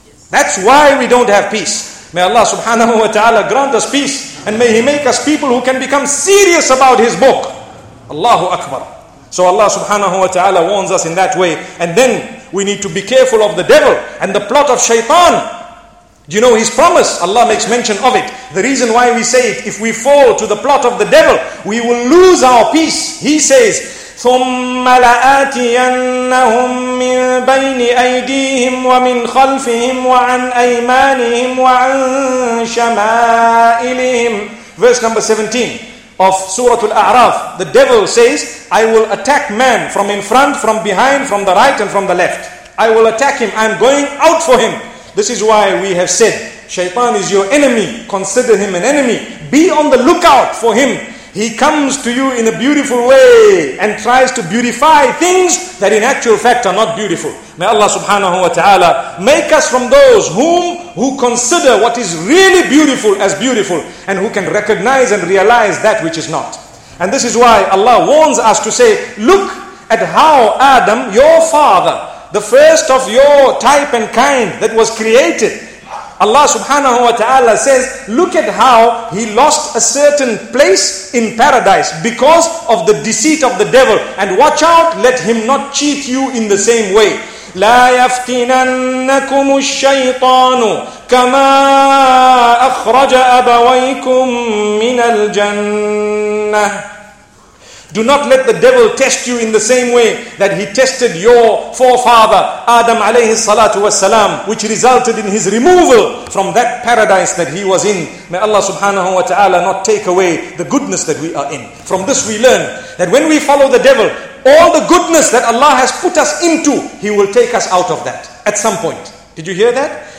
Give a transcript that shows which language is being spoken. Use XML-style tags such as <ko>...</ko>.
<en>That's why we don't have peace. May Allah subhanahu wa ta'ala grant us peace, and may He make us people who can become serious about His book. Allahu Akbar. So Allah subhanahu wa ta'ala warns us in that way. And then we need to be careful of the devil and the plot of shaitan. Do you know his promise? Allah makes mention of it. The reason why we say it, if we fall to the plot of the devil, we will lose our peace. He says,</en> <ar>ثُمَّ لَآتِيَنَّهُمْ مِنْ بَيْنِ أَيْدِيهِمْ وَمِنْ خَلْفِهِمْ وَعَنْ أَيْمَانِهِمْ وَعَنْ شَمَائِلِهِمْ.</ar> <en>Verse number 17 of Surah Al-A'raf. The devil says, I will attack man from in front, from behind, from the right and from the left. I will attack him. I'm going out for him. This is why we have said, Shaytan is your enemy. Consider him an enemy. Be on the lookout for him. He comes to you in a beautiful way and tries to beautify things that in actual fact are not beautiful. May Allah subhanahu wa ta'ala make us from those who consider what is really beautiful as beautiful, and who can recognize and realize that which is not. And this is why Allah warns us to say, look at how Adam, your father, the first of your type and kind that was created. Allah subhanahu wa ta'ala says, look at how he lost a certain place in paradise because of the deceit of the devil. And watch out, let him not cheat you in the same way.</en> <ar>لا يفتننكم الشيطان كما أخرج أبويكم من الجنة.</ar> <en>Do not let the devil test you in the same way that he tested your forefather Adam alayhi salatu wasalam, which resulted in his removal from that paradise that he was in. May Allah subhanahu wa ta'ala not take away the goodness that we are in. From this we learn that when we follow the devil, all the goodness that Allah has put us into, he will take us out of that at some point. Did you hear that?</en>